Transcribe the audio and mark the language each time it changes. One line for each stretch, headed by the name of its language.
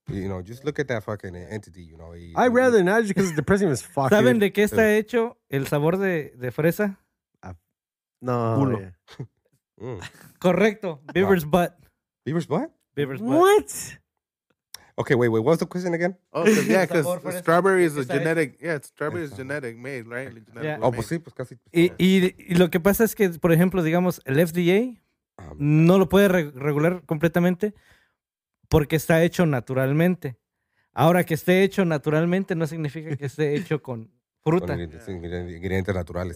English: You know, just look at that fucking entity, you know. I'd rather not just because it's depressing as fuck.
Spanish: ¿Saben de qué está hecho el sabor de fresa? No.
English: Culo. Yeah. Correcto. Beaver's butt. Beaver's butt? Beaver's butt. What? Okay, wait. What was the question again? Oh, cause, yeah, because strawberry is a genetic... Yeah, strawberry is genetic made, right? Yeah.
Spanish: Oh, pues sí, pues casi... Y lo que pasa es que, por ejemplo, digamos, el FDA no lo puede regular completamente porque está hecho naturalmente. Ahora, que esté hecho naturalmente no significa que esté hecho con... Fruta. Con ingredientes naturales.